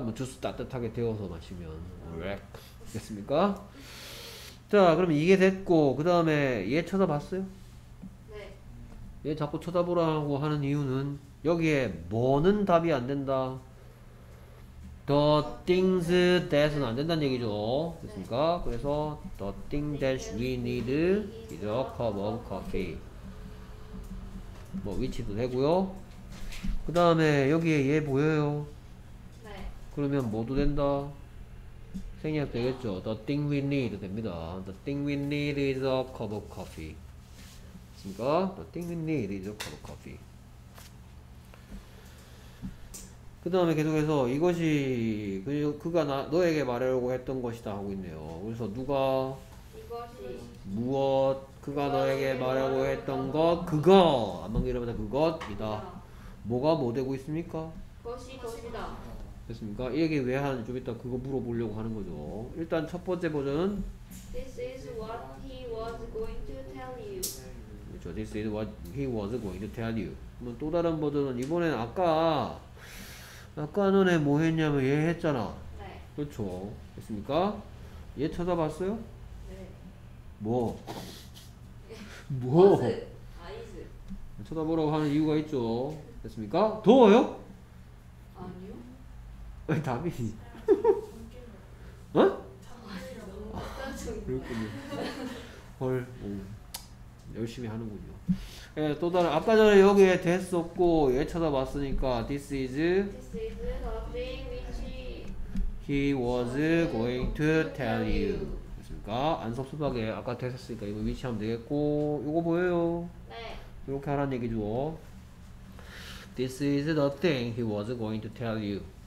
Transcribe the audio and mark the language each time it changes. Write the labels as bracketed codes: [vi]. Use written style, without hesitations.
[ko] 뭐 주스 따뜻하게 데워서 마시면 렉. 됐습니까? 자, 그러면 이게 됐고 그 다음에 얘 쳐다봤어요? 네. 얘 자꾸 쳐다보라고 하는 이유는 여기에 뭐는 답이 안 된다? [en] The things that [ko] 은 안 된다는 얘기죠. 됐습니까? 네. 그래서 [en] the thing that we need is a cup of coffee. [ko] 뭐 위치도 되고요. 그 다음에 여기에 얘 보여요? 네. 그러면 뭐도 된다? 생략 되겠죠? [en] The thing we need [ko] 됩니다. [en] The thing we need is a cup of coffee. [ko] 됐습니까? [en] The thing we need is a cup of coffee. [ko] 그 다음에 계속해서 이것이 그가 너에게 말하려고 했던 것이다 하고 있네요. 그래서 누가? 이것이 무엇? 그가 너에게 말하려고 했던 것? 그거! 안만 길어보자 그것이다. 뭐가 뭐 되고 있습니까? 것이 것이다. 됐습니까? 이 얘기 왜 하는지 좀 이따 그거 물어보려고 하는 거죠. 일단 첫 번째 버전. [en] This is what he was going to tell you. [ko] 그렇죠. [en] This is what he was going to tell you. [ko] 그럼 또 다른 버전은 이번에는 아까 너네 뭐 했냐면 얘 했잖아. 네. 그렇죠. 됐습니까? 얘 찾아봤어요? 네. 뭐? 뭐? 아이즈. 쳐다보라고 하는 이유가 있죠. 됐습니까? 더워요? 아니요. 왜 답이? 어? 헐, 열심히 하는군요. 예, 또 다른 아까 전에 여기에 됐었고 얘 찾아봤으니까 [en] this is. This is the thing which he was going to tell you. [ko] 그러니까 안 섭섭하게 아까 됐었으니까 이거 위치하면 되겠고 이거 보여요. 네. 이렇게 하라는 얘기죠. [en] This is the thing he was going to tell you.